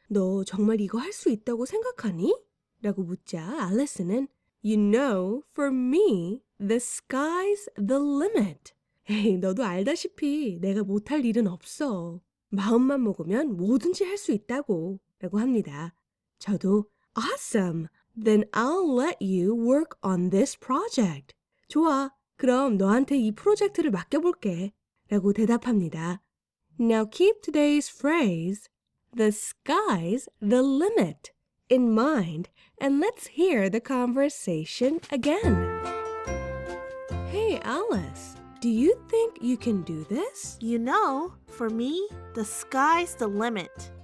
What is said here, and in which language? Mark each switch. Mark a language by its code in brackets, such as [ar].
[ko] 너 정말 이거 할 수 있다고 생각하니? 라고 묻자 알리스는 [en] You know, for me, the sky's the limit. [ko] 에이, 너도 알다시피 내가 못할 일은 없어. 마음만 먹으면 뭐든지 할 수 있다고 라고 합니다. 저도 [en] Awesome! Then I'll let you work on this project. [ko] 좋아, 그럼 너한테 이 프로젝트를 맡겨볼게 라고 대답합니다. [en] Now keep today's phrase, the sky's the limit, in mind, and let's hear the conversation again. Hey, Alice, do you think you can do this? You know, for me, the sky's the limit.